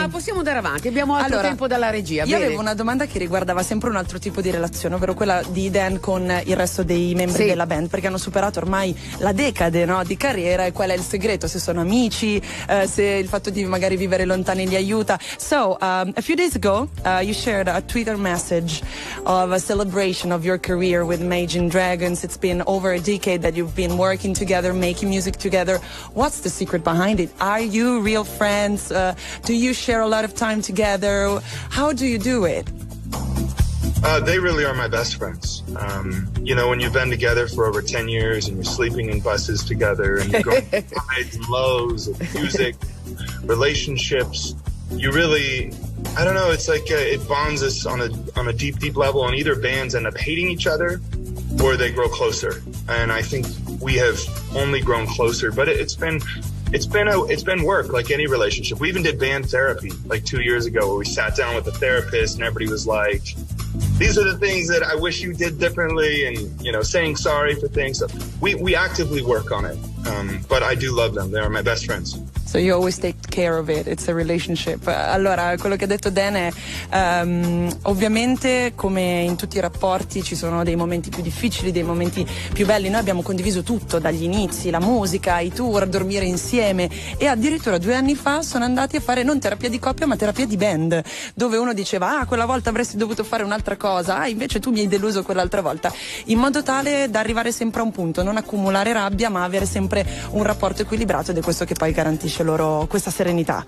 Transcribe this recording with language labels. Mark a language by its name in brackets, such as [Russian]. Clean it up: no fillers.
[Italian] Ah, possiamo andare avanti, abbiamo altro tempo dalla regia. Io avevo una domanda che riguardava sempre un altro tipo di relazione, ovvero quella di Dan con il resto dei membri della band, perché hanno superato ormai la decade, no, di carriera, e qual è il segreto, se sono amici, se il fatto di magari vivere lontani li aiuta. [English] So, a few days ago, you shared a Twitter message of a celebration of your career with Imagine Dragons. It's been over a decade that you've been working together, making music together. What's the secret behind it? Are you real friends? Do you share a lot of time together? How do you do it? They really are my best friends. You know, when you've been together for over 10 years and you're sleeping in buses together and you're going highs and lows of music, relationships, you really, I don't know, it's like it bonds us on a deep, deep level, and either bands end up hating each other or they grow closer. And I think we have only grown closer, but it's been work, like any relationship. We even did band therapy like 2 years ago, where we sat down with a therapist and everybody was like, these are the things that I wish you did differently, and, you know, saying sorry for things. So we actively work on it, but I do love them. They are my best friends. So you always take care of it, it's a relationship. [Italian] Allora, quello che ha detto Dan è ovviamente, come in tutti i rapporti, ci sono dei momenti più difficili, dei momenti più belli. Noi abbiamo condiviso tutto, dagli inizi, la musica, i tour, dormire insieme, e addirittura 2 anni fa sono andati a fare non terapia di coppia ma terapia di band, dove uno diceva, ah, quella volta avresti dovuto fare un'altra cosa, ah, invece tu mi hai deluso quell'altra volta, in modo tale da arrivare sempre a un punto, non accumulare rabbia ma avere sempre un rapporto equilibrato, ed è questo che poi garantisce loro questa serenità.